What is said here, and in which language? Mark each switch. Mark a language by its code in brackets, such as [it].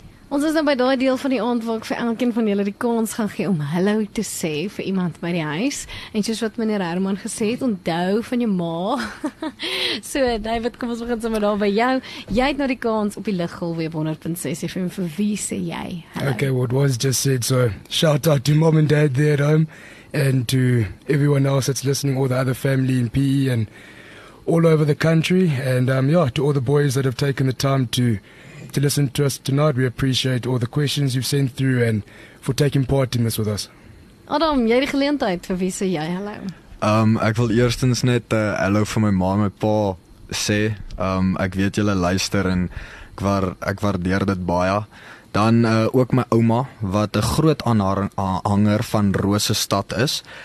[af] Ons is nou by daai deel van die aand waar ek vir elkeen van julle die kans gaan gee om hallo te sê vir iemand by die huis. En soos wat meneer Herman gesê het, onthou van jou ma. So David, kom ons begin sommer daar by jou. Jy het nou die kans op die liggolwe op 100.6 FM. Vir wie sê jy hallo? [en] Okay, what was just said, so shout out to mom and dad there at home and to everyone else that's listening, all the other family in PE and all over the country. And to all the boys that have taken the time to listen to us tonight. We appreciate all the questions you've sent through and for taking part in this with us. [af] Adam, jy die geleentheid, vir wie sê jy hallo? Ek wil eerstens net hallo vir my ma en my pa sê. Ek weet julle luister en ek waardeer dit baie. Dan ook my ouma, wat 'n groot aanhanger van Rosestad is.